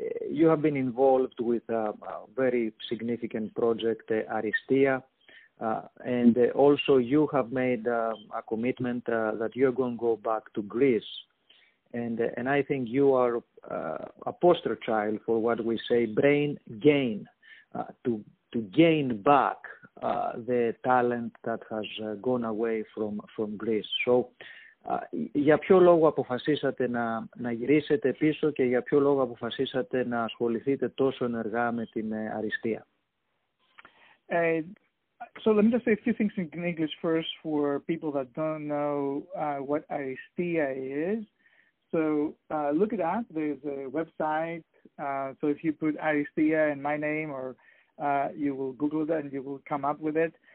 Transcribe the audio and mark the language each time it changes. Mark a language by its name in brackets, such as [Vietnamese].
[English] You have been involved with a very significant project, Aristia, and also you have made a commitment that you're going to go back to Greece. And I think you are a poster child for what we say, brain gain, to gain back the talent that has gone away from Greece. [Greek] So, για ποιο λόγο αποφασίσατε να γυρίσετε πίσω και για ποιο λόγο αποφασίσατε να ασχοληθείτε τόσο ενεργά με την αριστεία? [English] So let me just say a few things in English first for people that don't know what aristia is. So look it up. There's a website. So if you put aristia in my name, or you will Google that and you will come up with it.